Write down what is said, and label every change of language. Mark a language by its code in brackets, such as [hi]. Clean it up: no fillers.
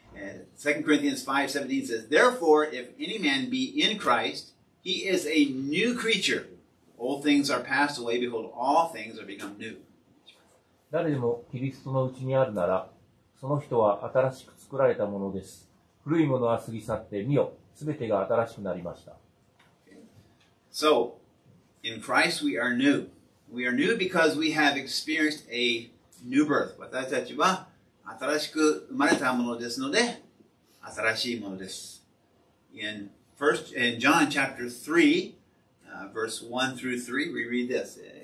[en] 2 Corinthians 5:17 says, Therefore, if any man be in Christ, he is a new creature. Old things are passed away, behold, all things are become new. [ja] 誰でもキリストのうちにあるなら、その人は新しく作られたものです。古いものは過ぎ去って、見よ、すべてが新しくなりました。 [en] Okay. So, in Christ we are new. We are new because we have experienced a new birth. [ja] 私たちは新しく生まれたものですので、新しいものです。 [en] In John chapter 3, verse 1 through 3, we read this.